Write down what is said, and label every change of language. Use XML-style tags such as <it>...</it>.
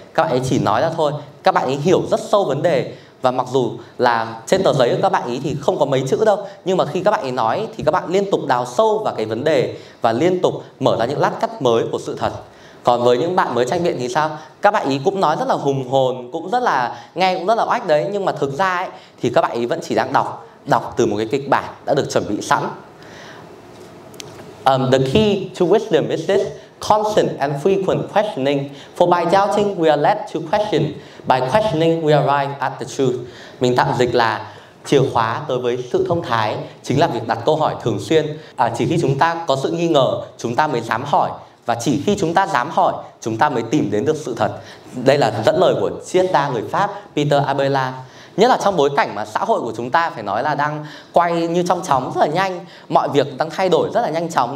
<vi>Các bạn ấy chỉ nói ra thôi, các bạn ấy hiểu rất sâu vấn đề. Và mặc dù là trên tờ giấy của các bạn ý thì không có mấy chữ đâu, nhưng mà khi các bạn ý nói thì các bạn liên tục đào sâu vào cái vấn đề và liên tục mở ra những lát cắt mới của sự thật. Còn với những bạn mới tranh biện thì sao? Các bạn ý cũng nói rất là hùng hồn, cũng rất là nghe cũng rất là oách đấy, nhưng mà thực ra ấy, thì các bạn ý vẫn chỉ đang đọc từ một cái kịch bản đã được chuẩn bị sẵn.</vi> <en>The key to wisdom is this constant and frequent questioning, for by doubting we are led to question, by questioning we arrive at the truth.</en> <vi>Mình tạm dịch là chìa khóa đối với sự thông thái chính là việc đặt câu hỏi thường xuyên. Chỉ khi chúng ta có sự nghi ngờ chúng ta mới dám hỏi, và chỉ khi chúng ta dám hỏi chúng ta mới tìm đến được sự thật. Đây là dẫn lời của triết gia người Pháp Peter Abela. Nhất là trong bối cảnh mà xã hội của chúng ta phải nói là đang quay như trong chóng rất là nhanh, mọi việc đang thay đổi rất là nhanh chóng.</vi>